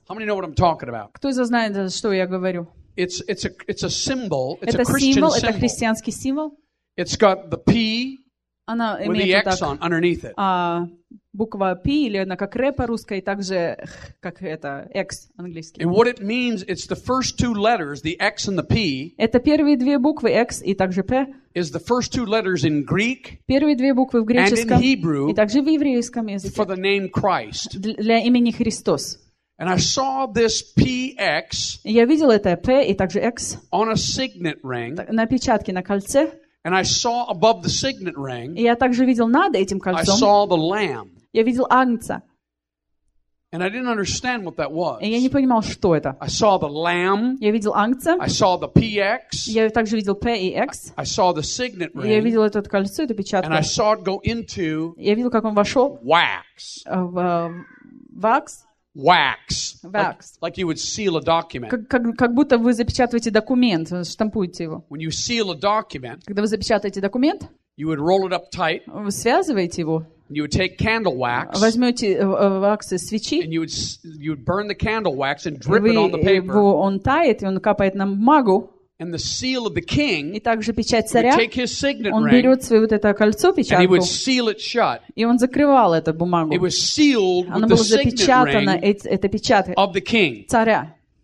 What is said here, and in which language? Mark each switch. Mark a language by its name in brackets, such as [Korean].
[English] How many know what I'm talking about? [Russian] Кто из вас знает, что я говорю? [English] It's a symbol. It's [Russian] это [English] a Christian [Russian] символ, [English] symbol. [Russian] Это христианский символ. [English] It's got the P. [Russian] Она [English] with [Russian] имеет [English] the X [Russian] так, [English] on, underneath it. [Russian] Буква P, или она как R по-русски, и также как это X английский. [English] And what it means, it's the first two letters, the X and the P. [Russian] Это первые две буквы X и также P. [English] Is the first two letters in Greek. [Russian] Первые две буквы в греческом. [English] And in Hebrew. [Russian] И также в еврейском языке. [English] For the name Christ. [Russian] Для имени Христос. [English] And I saw this PX. [Russian] Я видел это P и также X. [English] On a signet ring. [Russian] На печатке, на кольце. [English] And I saw above the signet ring. [Russian] Я также видел над этим кольцом. [English] I saw the lamb. [Russian] Я видел Агнца. [English] And I didn't understand what that was. [Russian] И я не понимал, что это. [English] I saw the lamb. [Russian] Я видел Агнца. [English] I saw the PX. [Russian] Я также видел P и X. [English] I saw the signet ring. [Russian] Я видел это кольцо, эту печатку. [English] And I saw it go into. [Russian] Я видел, как он вошел. [English] Wax. [Russian] Вакс. [English] Wax. Wax. Like you would seal a document. [Russian] Как будто вы запечатываете документ, штампуете его. [English] When you seal a document, [Russian] когда вы запечатываете документ, [English] you would roll it up tight. [Russian] Вы связываете его. [English] You would take candle wax. [Russian] Возьмете ваксы, свечи. [English] And you would burn the candle wax and drip it on the paper. [Russian] Он тает, и он капает на бумагу. [English] And the seal of the king. [Russian] И также печать царя. [English] Would take his signet ring. [Russian] Он берет свое вот это кольцо, печатку. [English] And he would seal it shut. [Russian] И он закрывал эту бумагу. [English] It was sealed with the signet ring. [Russian] Это печать [English] of the king. [Russian] Царя.